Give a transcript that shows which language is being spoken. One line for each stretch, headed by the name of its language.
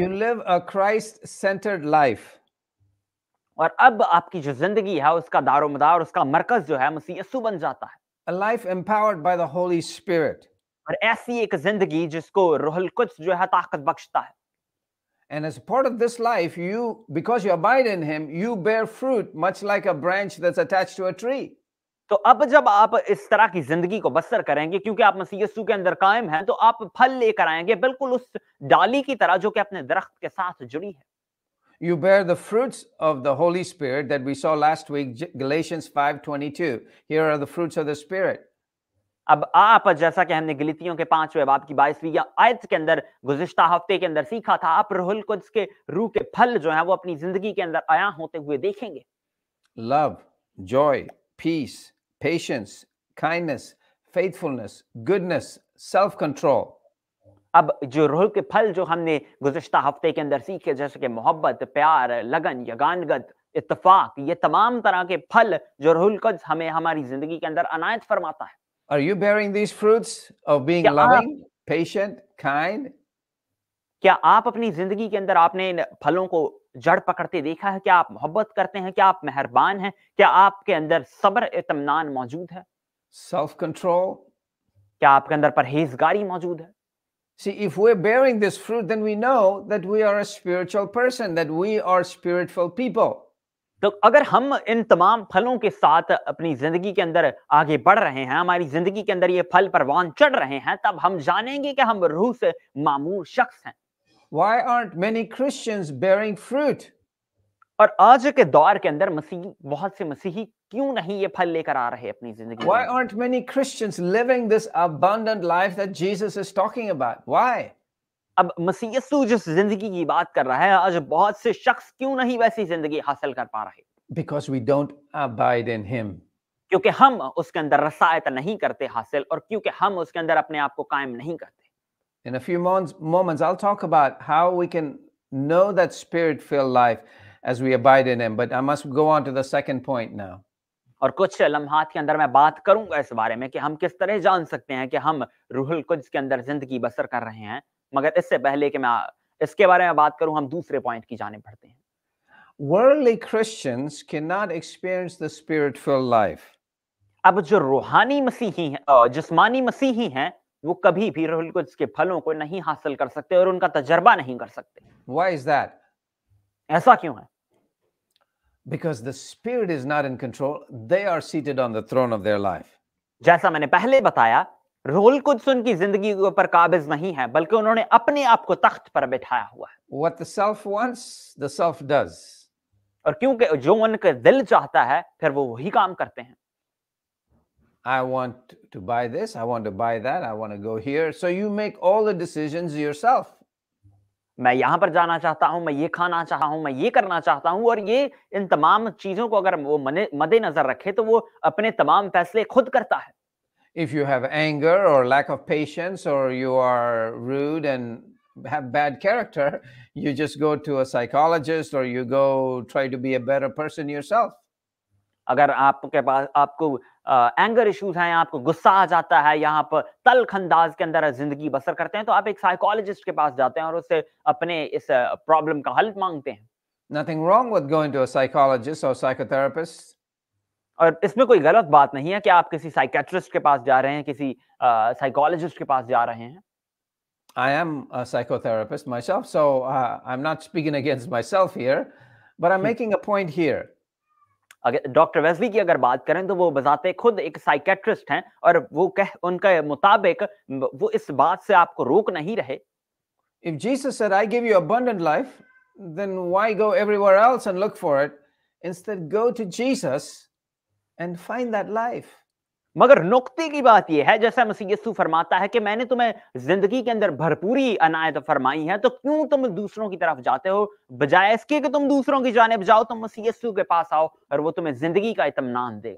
English: You live a Christ-centered life.
Urdu: اور اب آپ کی جو زندگی ہے اس کا دار و مدار, اس کا مرکز جو ہے مسیح یسوع بن جاتا ہے.
English: A life empowered by the Holy Spirit.
Urdu: اور ایسی ایک زندگی جس کو روح القدس جو ہے طاقت بخشتا ہے.
English: And as part of this life, you, because you abide in him, you bear fruit much like a branch that's attached to a tree.
Urdu: تو اب جب آپ اس طرح کی زندگی کو بسر کریں گے کیونکہ آپ مسیح یسوع کے اندر قائم ہیں تو آپ پھل لے کر آئیں گے بالکل اس ڈالی کی طرح جو کہ اپنے درخت کے ساتھ جڑی ہے.
English: You bear the fruits of the Holy Spirit that we saw last week, Galatians 5:22. Here are the fruits of the Spirit.
Urdu: اب آپ جیسا کہ ہم نے گلتیوں کے پانچویں باب کی 22 آیت کے اندر گزشتہ ہفتے کے اندر سیکھا تھا, آپ روح القدس کے روح کے پھل جو ہیں وہ اپنی زندگی کے اندر آیا ہوتے ہوئے دیکھیں گے.
English: Love, joy, peace, patience, kindness, faithfulness, goodness, self control.
Urdu: اب جو روح کے پھل جو ہم نے گزشتہ ہفتے کے اندر سیکھے جیسے کہ محبت, پیار, لگن, یگانگت, اتفاق, یہ تمام طرح کے پھل جو روح القدس ہمیں ہماری زندگی کے اندر عنایت فرماتا ہے.
English: Are you bearing these fruits of being loving, patient, kind?
Urdu: کیا آپ اپنی زندگی کے اندر آپ نے ان پھلوں کو جڑ پکڑتے دیکھا ہے؟ کیا آپ محبت کرتے ہیں؟ کیا آپ مہربان ہیں؟ کیا آپ کے اندر صبر اطمینان موجود ہے؟
English: Self control.
Urdu: کیا آپ کے اندر پرہیزگاری موجود ہے؟
English: See, if we're bearing this fruit, then we know that we are a spiritual person, that we are spiritual people.
Urdu: تو اگر ہم ان تمام پھلوں کے ساتھ اپنی زندگی کے اندر آگے بڑھ رہے ہیں, ہماری زندگی کے اندر یہ پھل پروان چڑھ رہے ہیں, تب ہم جانیں گے کہ ہم روح سے معمور شخص ہیں.
English: Why aren't many Christians bearing fruit?
Urdu: اور آج کے دور کے اندر مسیحی بہت سے مسیحی کیوں نہیں یہ پھل لے کر آ رہے اپنی زندگی میں؟
English: Why aren't many Christians living this abundant life that Jesus is talking about? Why?
Urdu: اب مسیح یسوع جس زندگی کی بات کر رہا ہے آج بہت سے شخص کیوں نہیں ویسی زندگی حاصل کر پا رہے؟
English: Because we don't abide in him.
Urdu: کیونکہ ہم اس کے اندر رسائت نہیں کرتے حاصل, اور کیونکہ ہم اس کے اندر اپنے آپ کو قائم نہیں کرتے.
English: In a few moments I'll talk about how we can know that spirit-filled life as we abide in him, but I must go on to the second point now.
Urdu: اور کچھ لمحات کے اندر میں بات کروں گا اس بارے میں کہ ہم کس طرح جان سکتے ہیں کہ ہم روح القدس کے اندر زندگی بسر کر رہے ہیں, مگر اس سے پہلے کہ میں اس کے بارے میں بات کروں ہم دوسرے پوائنٹ کی جانب بڑھتے ہیں.
English: Worldly Christians cannot experience the spirit-filled life.
Urdu: اب جو روحانی مسیحی ہیں, جسمانی مسیحی ہیں, وہ کبھی بھی روح القدس کے پھلوں کو نہیں حاصل کر سکتے اور ان کا تجربہ نہیں کر سکتے.
English: Why is that?
Urdu: ایسا کیوں ہے؟
English: Because the spirit is not in control, they are seated on the throne of their life.
Urdu: جیسا میں نے پہلے بتایا, روح القدس ان کی زندگی کے اوپر قابض نہیں ہے بلکہ انہوں نے اپنے آپ کو تخت پر بٹھایا ہوا ہے.
English: What the self wants, the self does.
Urdu: اور کیونکہ جو ان کا دل چاہتا ہے پھر وہ وہی کام کرتے ہیں.
English: I want to buy this, I want to buy that, I want to go here, so you make all the decisions yourself.
Urdu: میں یہاں پر جانا چاہتا ہوں, میں یہ کھانا چاہتا ہوں, میں یہ کرنا چاہتا ہوں, اور یہ ان تمام چیزوں کو اگر وہ مد نظر رکھے تو وہ اپنے تمام فیصلے خود کرتا ہے.
English: If you have anger or lack of patience or you are rude and have bad character, you just go to a psychologist or you go try to be a better person yourself.
Urdu: اگر آپ کے پاس آپ کو
English: anger issues
Urdu: ہیں, آپ کو غصہ آ جاتا ہے, یا آپ تلخ انداز کے اندر زندگی بسر کرتے ہیں, تو آپ ایک سائیکالوجسٹ کے پاس جاتے ہیں اور اس سے اپنے اس پرابلم کا حل مانگتے ہیں.
English: Nothing wrong with going to a psychologist or psychotherapist.
Urdu: اور اس میں کوئی غلط بات نہیں ہے کہ آپ کسی سائیکیٹرسٹ کے پاس جا رہے ہیں, کسی سائیکالوجسٹ کے پاس جا رہے ہیں.
English: I am a psychotherapist myself, so I'm not speaking against myself here, but I'm making a point here.
Urdu: اگر ڈاکٹر ویزلی کی اگر بات کریں تو وہ بذات خود ایک سائیکیٹرسٹ ہیں, اور وہ کہ ان کے مطابق وہ اس بات سے آپ کو روک نہیں رہے.
English: If Jesus said I give you abundant life, then why go everywhere else and look for it? Instead go to Jesus and find that life.
Urdu: مگر نقطے کی بات یہ ہے, جیسا مسیح یسوع فرماتا ہے کہ میں نے تمہیں زندگی کے اندر بھرپوری عنایت فرمائی ہے, تو کیوں تم دوسروں کی طرف جاتے ہو؟ بجائے اس کے کہ تم دوسروں کی جانب جاؤ, تم مسیح یسوع کے پاس آؤ اور وہ تمہیں زندگی کا اطمینان دے.